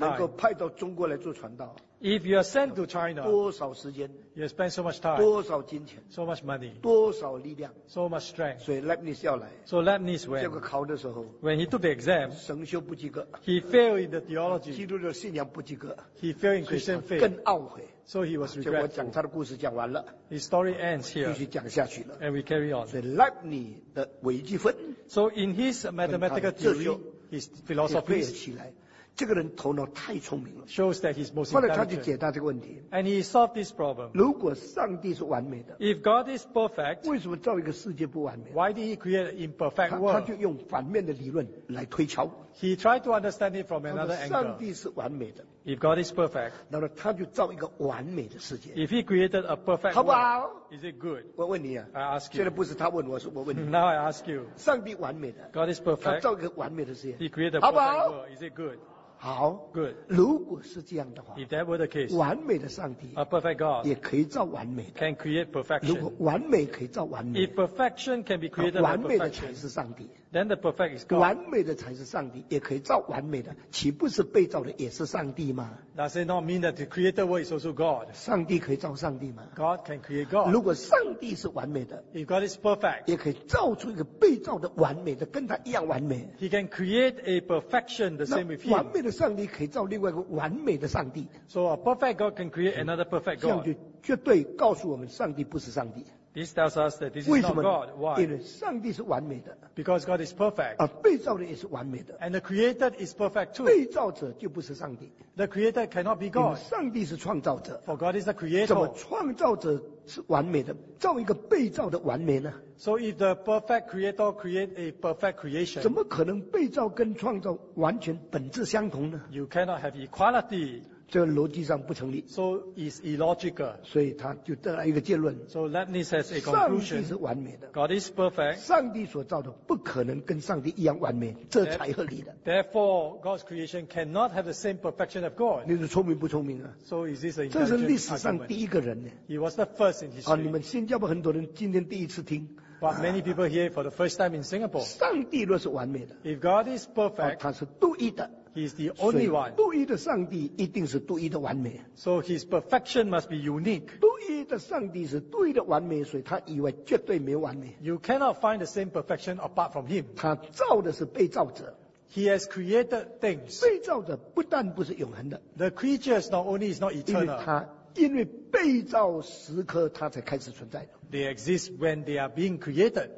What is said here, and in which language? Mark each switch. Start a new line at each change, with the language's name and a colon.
Chinese: 能够派到中国来做传道。
English: If you are sent to China.
Chinese: 多少时间？
English: You spend so much time.
Chinese: 多少金钱？
English: So much money.
Chinese: 多少力量？
English: So much strength.
Chinese: 所以 Leibniz 要来。
English: So Leibniz when?
Chinese: 结果考的时候。
English: When he took the exam.
Chinese: 神修不及格。
English: He failed in the theology.
Chinese: 基督的信仰不及格。
English: He failed in Christian faith.
Chinese: 更懊悔。
English: So he was regretful.
Chinese: 我讲他的故事讲完了。
English: His story ends here.
Chinese: 继续讲下去了。
English: And we carry on.
Chinese: 所以 Leibniz 的微积分。
English: So in his mathematical theory, his philosophy.
Chinese: 也背起来。这个人头脑太聪明了。
English: Shows that he's most intelligent.
Chinese: 后来他就解答这个问题。
English: And he solved this problem.
Chinese: 如果上帝是完美的。
English: If God is perfect.
Chinese: 为什么造一个世界不完美
English: ？Why did he create an imperfect world?
Chinese: 他就用反面的理论来推敲。
English: He tried to understand it from another angle.
Chinese: 上帝是完美的。
English: If God is perfect.
Chinese: 那么他就造一个完美的世界。
English: If he created a perfect world.
Chinese: 好不好
English: ？Is it good?
Chinese: 我问你啊。
English: I ask you.
Chinese: 现在不是他问我，是我问你。
English: Now I ask you.
Chinese: 上帝完美的。
English: God is perfect.
Chinese: 他造一个完美的世界。
English: He created a perfect world. Is it good?
Chinese: 好
English: ，Good。
Chinese: 如果是这样的话
English: ，If that were the case，
Chinese: 完美的上帝
English: ，A perfect God，
Chinese: 也可以造完美的
English: ，Can create perfection。
Chinese: 如果完美可以造完美
English: ，If perfection can be created，
Chinese: 完美的才是上帝
English: then the perfect is God.
Chinese: 完美的才是上帝, 也可以造完美的, 岂不是被造的也是上帝吗?
English: Does it not mean that the creator word is also God?
Chinese: 上帝可以造上帝吗?
English: God can create God.
Chinese: 如果上帝是完美的,
English: if God is perfect,
Chinese: 也可以造出一个被造的完美的, 跟他一样完美,
English: he can create a perfection the same with him.
Chinese: 完美的上帝可以造另外一个完美的上帝。
English: So a perfect God can create another perfect God.
Chinese: 这样就绝对告诉我们上帝不是上帝。
English: This tells us that this is not God. Why?
Chinese: 因为上帝是完美的,
English: because God is perfect.
Chinese: 被造的也是完美的,
English: and the created is perfect too.
Chinese: 被造者就不是上帝,
English: the creator cannot be God.
Chinese: 上帝是创造者,
English: for God is the creator.
Chinese: 怎么创造者是完美的, 造一个被造的完美呢?
English: So if the perfect creator create a perfect creation,
Chinese: 怎么可能被造跟创造完全本质相同呢?
English: You cannot have equality.
Chinese: 这个逻辑上不成立,
English: so it's illogical.
Chinese: 所以他就得了一个结论,
English: so Leibniz has a conclusion.
Chinese: 上帝是完美的,
English: God is perfect.
Chinese: 上帝所造的不可能跟上帝一样完美, 这才合理的。
English: Therefore, God's creation cannot have the same perfection of God.
Chinese: 你是聪明不聪明啊?
English: So is this an intelligent argument?
Chinese: 这是历史上第一个人呢?
English: He was the first in history.
Chinese: 你们新加坡很多人今天第一次听,
English: but many people here for the first time in Singapore.
Chinese: 上帝若是完美的,
English: if God is perfect,
Chinese: 他是独一的,
English: he is the only one.
Chinese: 独一的上帝一定是独一的完美,
English: so his perfection must be unique.
Chinese: 独一的上帝是独一的完美, 所以他以为绝对没完美。
English: You cannot find the same perfection apart from him.
Chinese: 他造的是被造者,
English: he has created things.
Chinese: 被造者不但不是永恒的,
English: the creatures not only is not eternal,
Chinese: 因为被造时刻他才开始存在的, they exist when they are being created.